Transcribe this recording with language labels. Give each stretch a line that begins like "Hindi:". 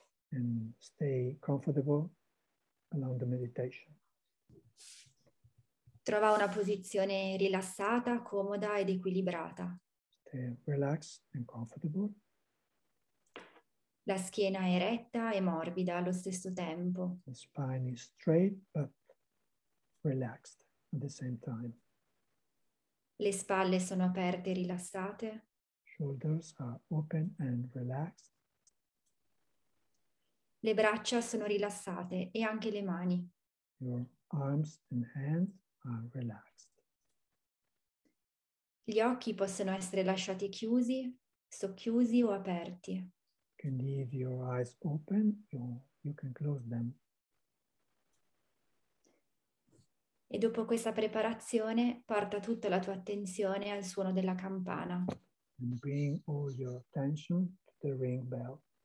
English: And stay comfortable along the meditation.
Italian: Trova una posizione rilassata, comoda ed equilibrata.
English: Stay relaxed and comfortable.
Italian: La schiena è eretta e morbida allo stesso tempo.
English: The spine is straight but relaxed at the same time.
Italian: Le spalle sono aperte e rilassate.
English: Shoulders are open and relaxed.
Italian: Le braccia sono rilassate e anche le mani.
English: Your arms and hands are relaxed.
Italian: Gli occhi possono essere lasciati chiusi, socchiusi o aperti.
English: Can leave your eyes open or you can close them.
Italian: E dopo questa preparazione, porta tutta la tua attenzione al suono della campana.
English: And bring all your attention to the ring bell.